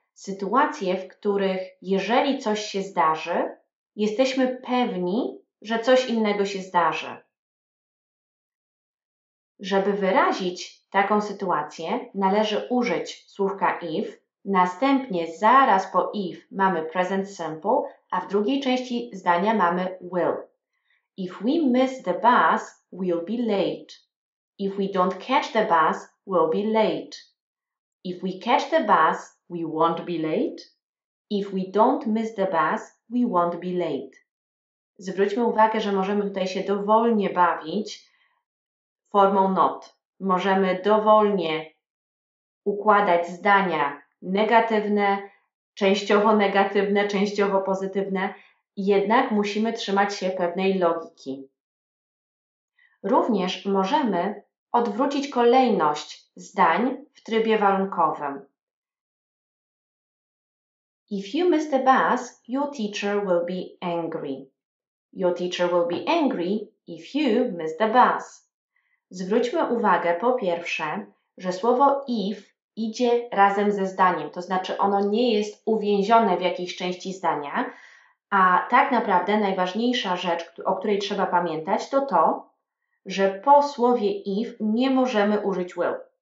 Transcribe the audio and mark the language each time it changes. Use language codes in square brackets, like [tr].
[pl] Sytuacje, w których jeżeli coś się zdarzy, jesteśmy pewni, że coś innego się zdarzy. Żeby wyrazić taką sytuację, należy użyć słówka if, następnie zaraz po if mamy present simple, a w drugiej części zdania mamy will. [en] If we miss the bus, we'll be late. If we don't catch the bus, we'll be late. If we catch the bus, we won't be late. If we don't miss the bus, we won't be late. [pl] Zwróćmy uwagę, że możemy tutaj się dowolnie bawić formą not. Możemy dowolnie układać zdania negatywne, częściowo negatywne, częściowo pozytywne, jednak musimy trzymać się pewnej logiki. Również możemy odwrócić kolejność zdań w trybie warunkowym. [en] If you miss the bus, your teacher will be angry. Your teacher will be angry if you miss the bus. [pl] Zwróćmy uwagę po pierwsze, że słowo if idzie razem ze zdaniem, to znaczy ono nie jest uwięzione w jakiejś części zdania, a tak naprawdę najważniejsza rzecz, o której trzeba pamiętać, to to, że po słowie if nie możemy użyć will.